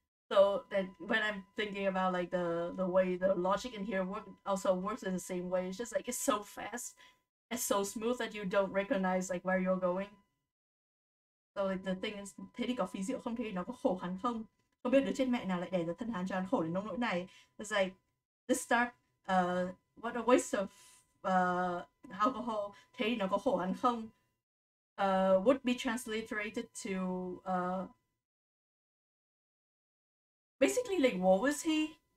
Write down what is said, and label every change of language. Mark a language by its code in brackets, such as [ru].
[en] So then when I'm thinking about like the way the logic in here also works in the same way, it's just like it's so fast and so smooth that you don't recognize like where you're going. So like the thing is, [vi] thế thì có phí rượu không, thế nó có khổ hắn không, không biết đứa trên mẹ nào lại đẻ ra thân hắn cho hắn khổ đến nông nỗi này. [en] It's like this stuff, what a waste of alcohol, [vi] thế nó có khổ hắn không, [en] would be transliterated to basically like what was he,